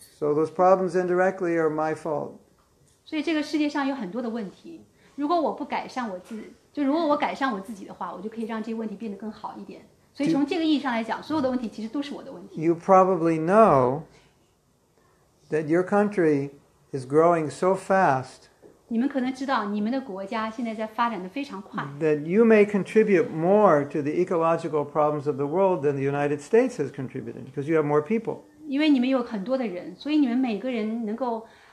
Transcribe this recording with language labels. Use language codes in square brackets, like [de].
[en] So those problems indirectly are my fault. [zh] 所以这个世界上有很多的问题，如果我不改善我自己，就如果我改善我自己的话，我就可以让这些问题变得更好一点。所以从这个意义上来讲，所有的问题其实都是我的问题。 [en] You probably know that your country is growing so fast. [zh] 你们可能知道，你们的国家现在在发展的非常快。 [en] That you may contribute more to the ecological problems of the world than the United States has contributed, because you have more people. [zh] 因为你们有很多的人，所以你们每个人能够。